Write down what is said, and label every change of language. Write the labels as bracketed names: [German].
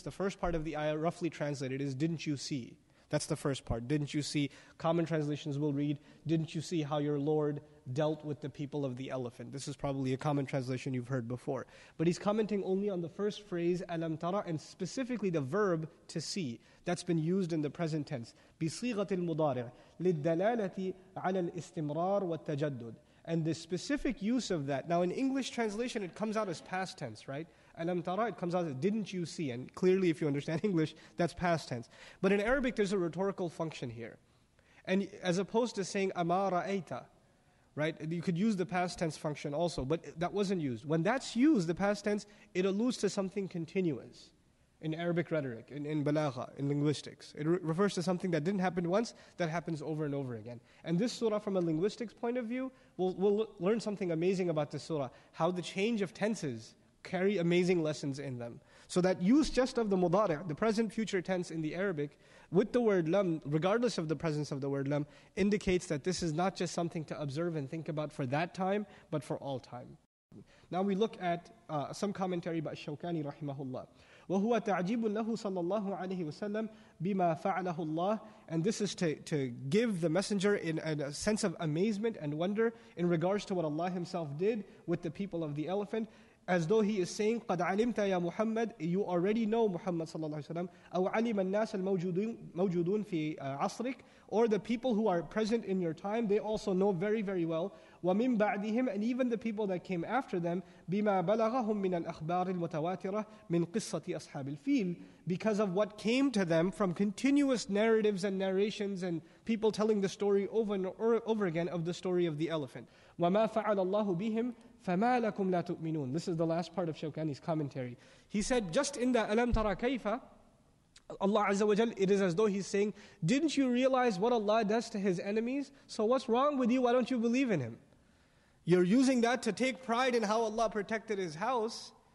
[English] The first part of the ayah roughly translated is, didn't you see? That's the first part. Didn't you see? Common translations will read, didn't you see how your Lord dealt with the people of the elephant? This is probably a common translation you've heard before. But he's commenting only on the first phrase, alam tara, and specifically the verb to see that's been used in the present tense. [Arabic] بصيغة المضارع للدلالة على الاستمرار والتجدد. [English] And the specific use of that, now in English translation, it comes out as past tense, right? Alam tara, it comes out as, didn't you see? And clearly, if you understand English, that's past tense. But in Arabic, there's a rhetorical function here. And as opposed to saying, ama ra'aita, right? You could use the past tense function also, but that wasn't used. When that's used, the past tense, it alludes to something continuous in Arabic rhetoric, in balagha, in linguistics. It refers to something that didn't happen once, that happens over and over again. And this surah, from a linguistics point of view, we'll learn something amazing about this surah, how the change of tenses carry amazing lessons in them. So that use just of the mudari', the present future tense in the Arabic, with the word lam, regardless of the presence of the word lam, indicates that this is not just something to observe and think about for that time, but for all time. Now we look at some commentary by Shawkani rahimahullah. [Arabic] وهو تعجيب له صلى الله عليه وسلم بما فعله الله. [English] And this is to give the messenger in a sense of amazement and wonder in regards to what Allah himself did with the people of the elephant, as though he is saying, [Arabic] قد علمت يا محمد, [English] you already know Muhammad صلى الله عليه وسلم, [Arabic] أو علم الناس الموجودون في عصرك, [English] or the people who are present in your time, they also know very, very well, [Arabic] ومن بعدهم, [English] and even the people that came after them, [Arabic] بما بلغهم من الأخبار المتواترة من قصة أصحاب الفيل, [English] because of what came to them from continuous narratives and narrations and people telling the story over and over again of the story of the elephant. [Arabic] وما فعل الله بهم فما لكم لا تؤمنون. [English] This is the last part of Shawkani's commentary. He said, just in the [Arabic] ألم ترى كيف, [English] Allah Azza wa Jal, it is as though he's saying, didn't you realize what Allah does to his enemies? So what's wrong with you? Why don't you believe in him? You're using that to take pride in how Allah protected his house.